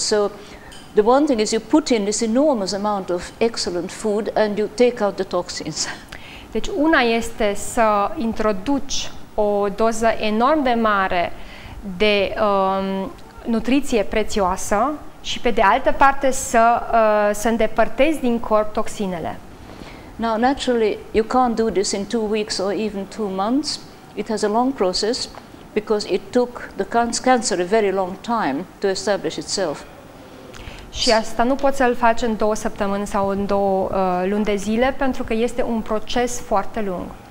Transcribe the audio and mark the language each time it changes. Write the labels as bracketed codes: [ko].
[en] So the one thing is you put in this enormous amount of excellent food and you take out the toxins. [ro] Deci una este să introduci o doză enorm de mare de nutriție prețioasă și, pe de altă parte, să îndepărtezi din corp toxinele. [en] Now, naturally, you can't do this in 2 weeks or even 2 months. It has a long process because it took the cancer a very long time to establish itself. [ro] Și asta nu poți să-l faci în 2 săptămâni sau în 2 luni de zile, pentru că este un proces foarte lung.